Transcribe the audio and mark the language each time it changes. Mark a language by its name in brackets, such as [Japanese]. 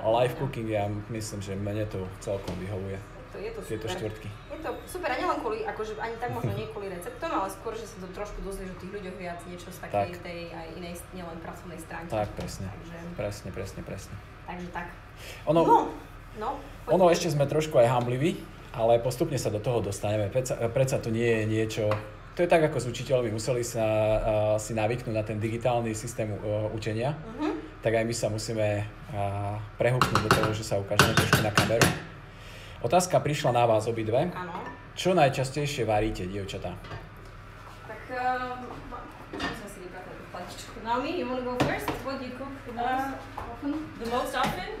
[Slovak] Live cooking, ja myslím, že mne to celkom vyhovuje. Je to štvrtky. Je to super, a nielen kvôli, akože ani tak možno nie kvôli receptom, ale skôr, že sa to trošku dozvieš o tých ľuďoch viac, niečo z takej tak. Tej aj inej, nielen pracovnej stránky. Tak, presne. Takže... Presne. Takže tak. Ono, no, ono ešte sme trošku aj hambliví, ale postupne sa do toho dostaneme. Predsa to nie je niečo... To je tak, ako s učiteľmi museli sa si navyknúť na ten digitálny systém učenia, tak aj my sa musíme prehúknúť do toho, že sa ukážeme trošku na kameru. Otázka prišla na vás obidve. Áno. Čo najčastejšie varíte, dievčatá? Tak, musím si vypratať platičku. [English] Naomi, you want to go first? What do you cook the most often?